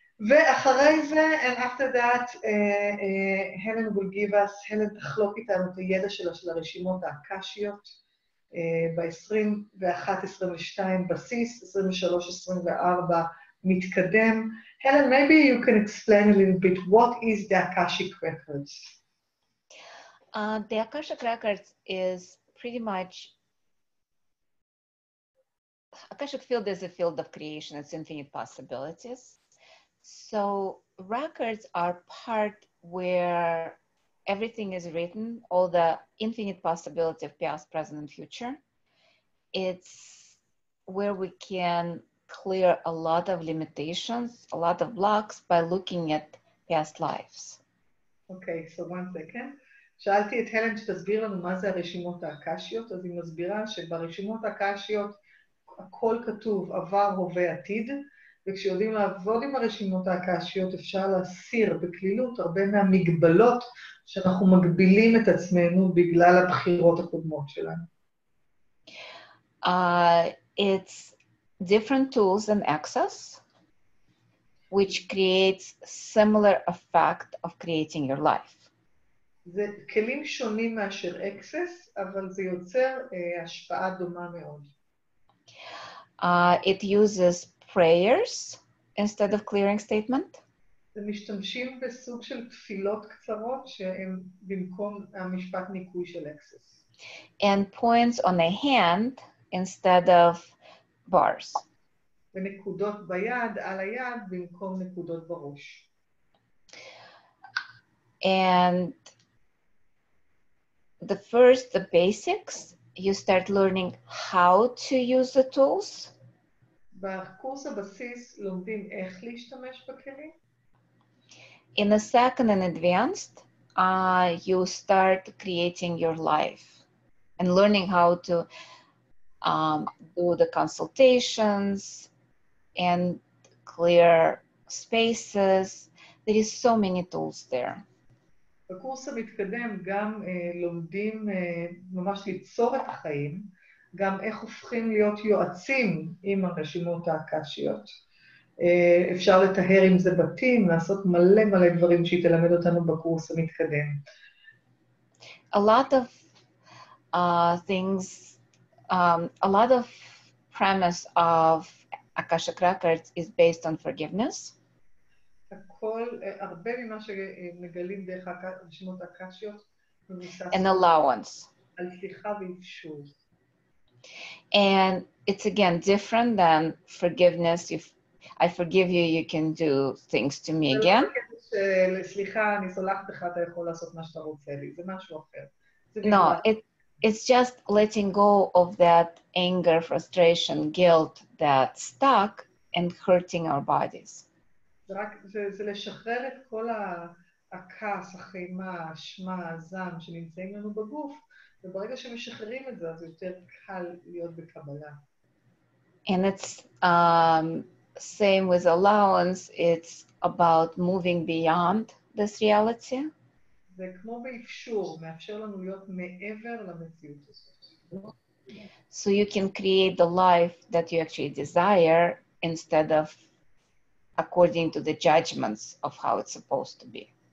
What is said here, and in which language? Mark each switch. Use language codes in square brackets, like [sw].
[he] ואחרי זה, [en] and after that, Helen will give us, [he] Helen תחלוק איתנו את הידע שלה של הרשימות האקשיות, ב-21-22 בסיס, 23-24 מתקדם. [en] Helen, maybe you can explain a little bit, what is the Akashic Records? The Akashic Records is pretty much... Akashic field is a field of creation, it's infinite possibilities. So records are part where everything is written, all the infinite possibility of past, present, and future. It's where we can clear a lot of limitations, a lot of blocks by looking at past lives. Okay, so one second. [he] שאלתי את הלן שתסביר לנו מה זה הרשימות האקשיות, אז היא מסבירה שברשימות האקשיות הכל כתוב עבר, הווה, עתיד, וכשיודעים לעבוד עם הרשימות האקשיות אפשר להסיר בכלילות הרבה מהמגבלות שאנחנו מגבילים את עצמנו בגלל הבחירות הקודמות שלנו. [en] It's different tools and access, which creates similar effect of creating your life. [he] זה כלים שונים מאשר access, אבל זה יוצר השפעה דומה מאוד. [en] It uses prayers instead of clearing statement. [he] זה משתמשים בסוג של תפילות קצרות שהם במקום המשפט ניקוי של access. [en] And points on a hand instead of bars. [he] ונקודות ביד, על היד, במקום נקודות בראש. [en] And the first, the basics, you start learning how to use the tools. [he] בקורס הבסיס לומדים איך להשתמש בכלים. [en] In the second and advanced, you start creating your life and learning how to do the consultations and clear spaces. There is so many tools there. [he] בקורס המתקדם גם לומדים ממש ליצור את החיים, גם איך הופכים להיות יועצים עם הרשימות האקשיות. אפשר לטהר עם זה בתים, לעשות מלא מלא דברים שהיא תלמד אותנו בקורס המתקדם. [en] A lot of premise of Akashic Records is based on forgiveness. [he] הכל, הרבה ממה שמגלים דרך רשימות אקשיות, [en] an allowance. [he] על סליחה ואפשור. [en] And it's again different than forgiveness. If I forgive you, you can do things to me again. [he] סליחה, אני סולחת לך, אתה יכול לעשות מה שאתה רוצה לי. זה משהו אחר. [en] No, it's just letting go of that anger, frustration, guilt that stuck and hurting our bodies. [he] זה לשחרר את כל הכעס, החימה, האשמה, הזעם שנמצאים לנו בגוף, וברגע שמשחררים את זה, אז יותר קל להיות בקבלה. [en] And it's same with allowance, it's about moving beyond this reality. [he] זה כמו באפשור, מאפשר לנו להיות מעבר למציאות הזאת. [en] So you can create the life that you actually desire instead of according to the judgments of how it's supposed to be.